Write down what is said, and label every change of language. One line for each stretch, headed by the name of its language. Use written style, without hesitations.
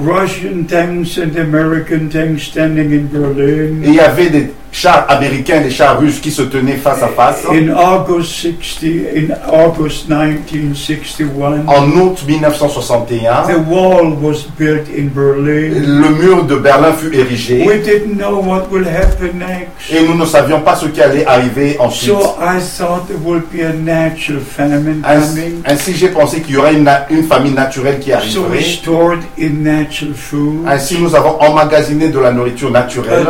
English: Russian tanks and American tanks standing in Berlin.
French: Et il y avait des chars américains, des chars russes qui se tenaient face à face.
English: In August 60, in August 1961.
French: En août 1961.
English: The wall was built in Berlin.
French: Le mur de Berlin fut érigé.
English: We didn't know what would happen next.
French: Et nous ne savions pas ce qui allait arriver ensuite.
English: So I thought there would be a natural famine coming.
French: Ainsi j'ai pensé qu'il y aurait une famine naturelle qui arriverait.
English: So we stored in natural food.
French: Ainsi nous avons emmagasiné de la nourriture naturelle.